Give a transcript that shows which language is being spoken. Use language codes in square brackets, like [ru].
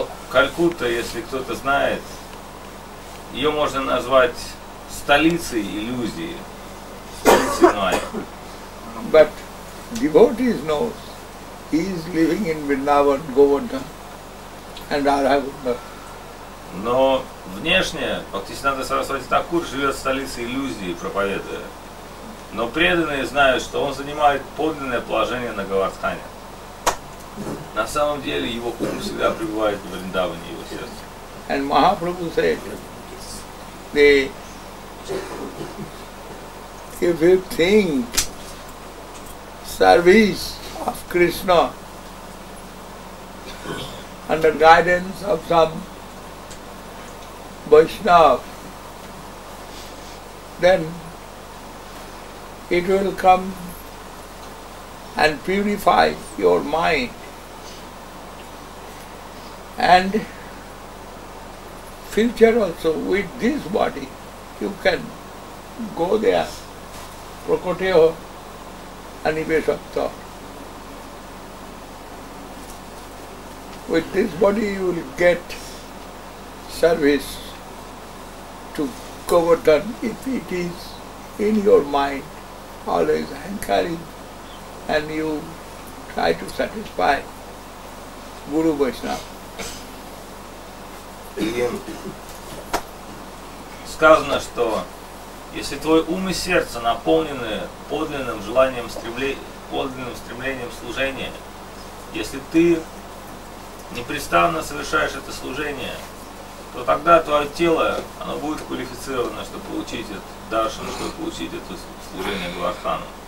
[ru] Калькутта, если кто-то знает, ее можно назвать столицей иллюзии. Столицей Майя. [en] But devotees know he is living in Vrindavan, Govardhan and Radha-Govinda. [ru] Но внешне Бхактисиддханта Сарасвати Такур живет в столице иллюзии, проповедуя. Но преданные знают, что он занимает подлинное положение на Говардхане. На самом деле его ум всегда пребывает в Вриндаване, его сердце. [en] And Mahaprabhu said, if you think service of Krishna under guidance of some Vaishnav, then it will come and purify your mind and future also with this body you can go there, Prakoteho Anibeshapta. With this body you will get service to Govardhan if it is in your mind always hankering and you try to satisfy Guru Vaishnava. [ru] И сказано, что если твой ум и сердце наполнены подлинным желанием, подлинным стремлением служения, если ты непрестанно совершаешь это служение, то тогда твое тело, оно будет квалифицировано, чтобы получить этот даршан, чтобы получить это служение Гвардхану.